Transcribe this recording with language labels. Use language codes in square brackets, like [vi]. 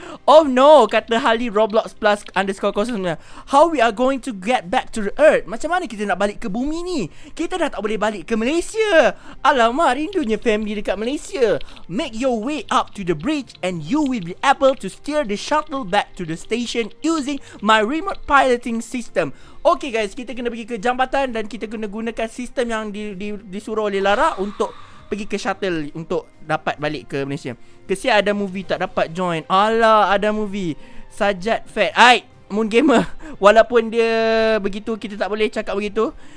[en] Oh no, kata Hali Roblox Plus underscore 09. How we are going to get back to the earth? [ms] Macam mana kita nak balik ke bumi ni? Kita dah tak boleh balik ke Malaysia. Alamak, rindunya family dekat Malaysia. [en] Make your way up to the bridge and you will be able to steer the shuttle back to the station using my remote piloting system. [ms] Okay guys, kita kena pergi ke jambatan dan kita kena gunakan sistem yang disuruh oleh Lara untuk pergi ke shuttle untuk dapat balik ke Malaysia. Kesian ada movie tak dapat join. Alah, ada movie. Sajat Fat. Aik, Moon Gamer. Walaupun dia begitu, kita tak boleh cakap begitu.